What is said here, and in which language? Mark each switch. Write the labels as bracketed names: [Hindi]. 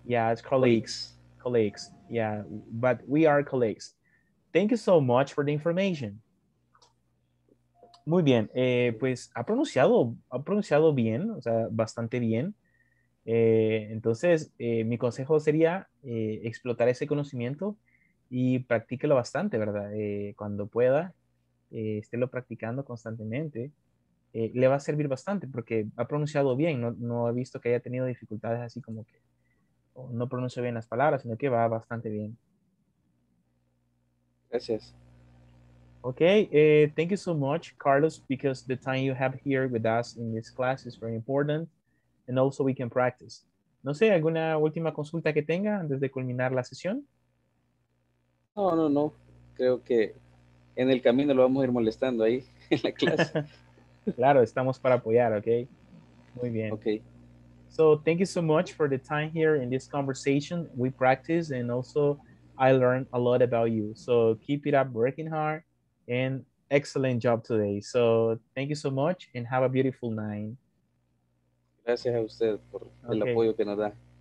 [English] Yeah, it's colleagues, yeah, but we are colleagues. Thank you so much for the information. [Spanish] Muy bien, pues ha pronunciado bien, o sea, bastante bien. Entonces, mi consejo sería explotar ese conocimiento y practíquelo bastante, ¿verdad? Cuando pueda, estélo practicando constantemente. le va a servir bastante porque ha pronunciado bien, no he visto que haya tenido dificultades así como que no pronuncie bien las palabras, sino que va bastante bien. Gracias. [English] Okay, thank you so much, Carlos, because the time you have here with us in this class is very important, and also we can practice. [Spanish] No sé, ¿alguna última consulta que tenga antes de culminar la sesión? No. Creo que en el camino lo vamos a ir molestando ahí, en la clase. Claro, estamos para apoyar, okay? Muy bien. [English] Okay. So, thank you so much for the time here in this conversation. We practice, and also I learned a lot about you. So, keep it up, working hard, and excellent job today. So, thank you so much, and have a beautiful night. [Spanish] Gracias a usted por el apoyo que nos da.